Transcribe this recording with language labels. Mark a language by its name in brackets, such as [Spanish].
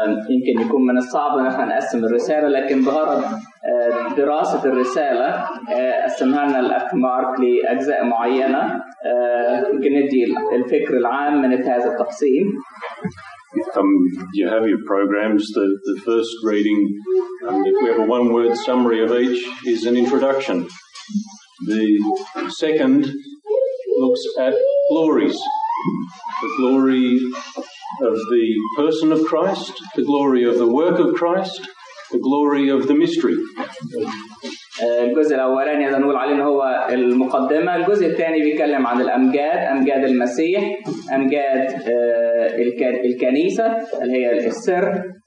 [Arabic] يمكن يكون من الصعب ان احنا نقسم الرساله لكن بغرض دراسه الرساله قسمها لنا الاخ مارك لاجزاء معينه يمكن ندي الفكر العام من هذا التقسيم. [English] You have your programs, the first reading, if we have a one word summary of each, is an introduction. The second looks at glories, the glory of the person of Christ, the glory of the work of Christ, the glory of the mystery. [Arabic] الجزء الأولاني إذا نقول عليه هو المقدمة. الجزء الثاني بيتكلم عن الأمجاد, أمجاد المسيح, أمجاد الكنيسة اللي هي السر.